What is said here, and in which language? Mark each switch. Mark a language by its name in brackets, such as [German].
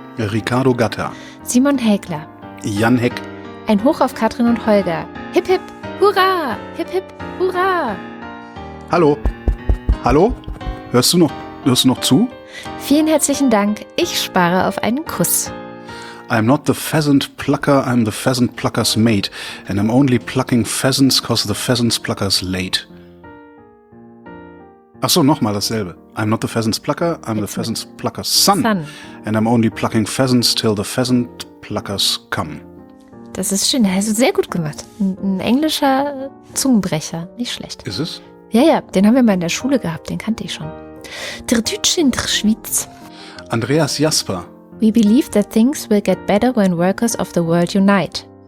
[German] Ricardo Gatter. Simon Häkler. Jan Heck. Ein Hoch auf Katrin und Holger. Hip hip, hurra! Hip hip, hurra! Hallo? Hallo? Hörst du noch zu? Vielen herzlichen Dank. Ich spare auf einen Kuss. [English] I'm not the pheasant plucker, I'm the pheasant plucker's mate. And I'm only plucking pheasants, cause the pheasant's plucker's late. [German] Ach so, nochmal dasselbe. [English] I'm not the pheasant's plucker, I'm the pheasant's plucker's son. And I'm only plucking pheasants, till the pheasant pluckers come. [German] Das ist schön, das hast du sehr gut gemacht. Ein englischer Zungenbrecher, nicht schlecht. Ist es? Ja, ja, den haben wir mal in der Schule gehabt, den kannte ich schon. Der Deutsche in der Schweiz. Andreas Jasper. [English] We believe that things will get better when workers of the world unite.